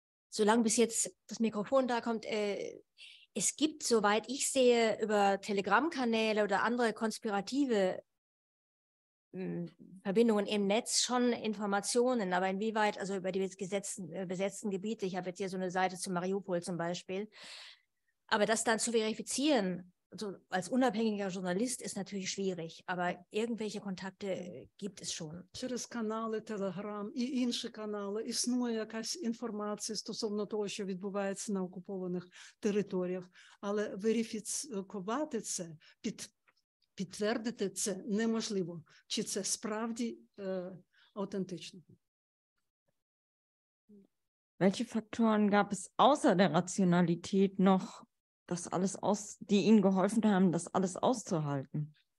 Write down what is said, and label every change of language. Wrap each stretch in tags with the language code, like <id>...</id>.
<de>Solange bis jetzt das Mikrofon da kommt, es gibt, soweit ich sehe, über Telegram-Kanäle oder andere konspirative Verbindungen im Netz schon Informationen, aber inwieweit, also über die besetzten Gebiete, ich habe jetzt hier so eine Seite zu Mariupol zum Beispiel, aber das dann zu verifizieren, so als unabhängiger Journalist ist natürlich schwierig, aber irgendwelche Kontakte gibt es schon.</de> <uk>Через канали Telegram і інші канали існує якась інформація стосовно того, що відбувається на окупованих територіях, але верифікувати це, підтвердити це неможливо, чи це справді автентично.</uk> <de>Welche Faktoren gab es außer der Rationalität noch, das alles aus, die ihnen geholfen haben, das alles auszuhalten?</de>